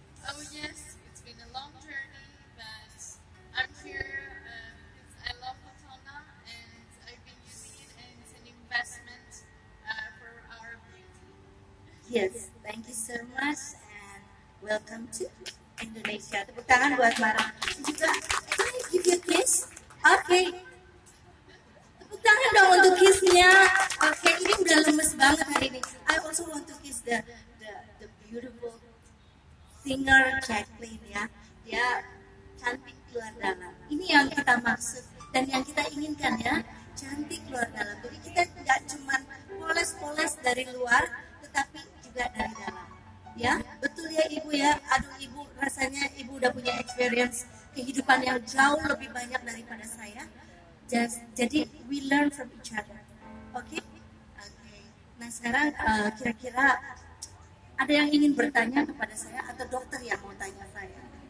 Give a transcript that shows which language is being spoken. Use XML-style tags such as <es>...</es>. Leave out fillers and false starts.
<en>Oh yes, it's been a long journey, but I'm here because I love Fatona and I've been using it and it's an investment for our beauty. Yes, thank you so much and welcome to Indonesia.</en> <id>Tepuk tangan buat Mara. Juga,</id> <en>can I give you a kiss? Okay.</en> <id>Tepuk tangan dong untuk kissnya. Oke, ini udah lemes banget hari ini.</id> <en>I also want to kiss the beautiful</en> <id>singer Jacqueline ya, dia cantik di luar dalam. Ini yang kita maksud dan yang kita inginkan ya, cantik luar dalam. Jadi kita nggak cuma poles-poles dari luar, tetapi juga dari dalam. Ya, betul ya ibu ya. Aduh ibu, rasanya ibu udah punya experience kehidupan yang jauh lebih banyak daripada saya. Jadi</id> <en>we learn from each other.</en> <id>Oke? Nah sekarang kira-kira ada yang ingin bertanya kepada saya atau dokter yang mau tanya saya?</id>